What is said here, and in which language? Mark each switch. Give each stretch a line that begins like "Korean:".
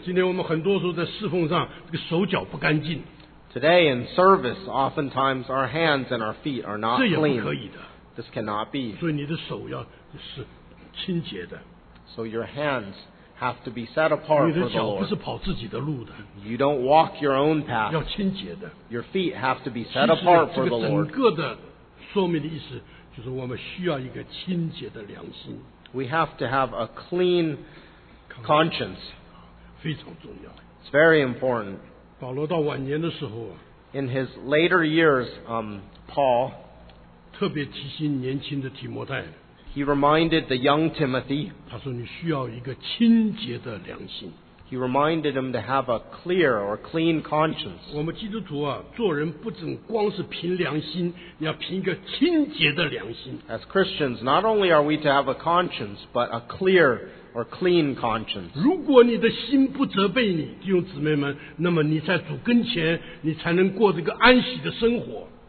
Chinese: 今天我们很多时候在侍奉上，这个手脚不干净。
English: Today in service, oftentimes our hands and our feet are not clean.
Chinese: 这也不可以的。
English: This cannot be.
Chinese: 所以你的手要是清洁的。
English: So your hands. Have to be set apart for the Lord.
Chinese: 你的脚不是跑自己的路的。
English: You don't walk your own path.
Chinese: 要清洁的。
English: Your feet have to be set apart for the Lord.
Chinese: 其实这个整个的说明的意思就是我们需要一个清洁的良心。
English: We have to have a clean conscience.
Chinese: 非常重要。
English: It's very important.
Chinese: 保罗到晚年的时候啊。
English: In his later years, Paul.
Chinese: 特别提醒年轻的提摩太。
English: He reminded the young Timothy.
Chinese: 他说你需要一个清洁的良心。
English: He reminded him to have a clear or clean conscience.
Chinese: 我们基督徒啊，做人不仅光是凭良心，你要凭一个清洁的良心。
English: As Christians, not only are we to have a conscience, but a clear or clean conscience.
Chinese: 如果你的心不责备你，弟兄姊妹们，那么你在主跟前，你才能过这个安息的生活。